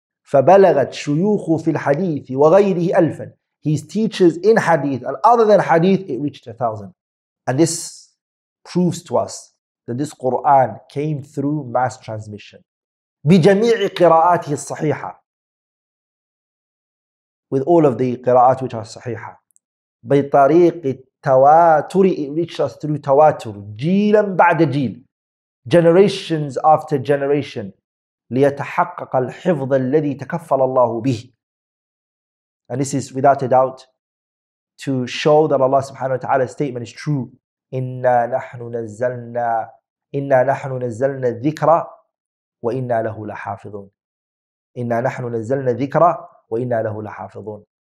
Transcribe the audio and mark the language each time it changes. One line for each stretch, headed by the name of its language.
Arabic: فبلغت شيوخ في الحديث وغيره ألفاً.
English: His teachers in hadith and other than hadith, it reached 1,000. And this proves to us that this Quran came through mass transmission.
Arabic: بجميع قراءاته الصحيحة.
English: With all of the قراءات which are صحيحة.
Arabic: بطريق تواتر,
English: it reached us through
Arabic: تواتر, جيلا بعد جيل,
English: generations after generation,
Arabic: ليتحقق الحفظ الذي تكفل الله به.
English: And this is without a doubt to show that Allah subhanahu wa ta'ala's statement is true.
Arabic: إِنَّا نَحْنُ نَزَّلْنَا الذِّكْرَ وَإِنَّا لَهُ لَحَافِظُونَ. إِنَّا نَحْنُ نَزَّلْنَا الذِّكْرَ وَإِنَّا لَهُ لَحَافِظُونَ.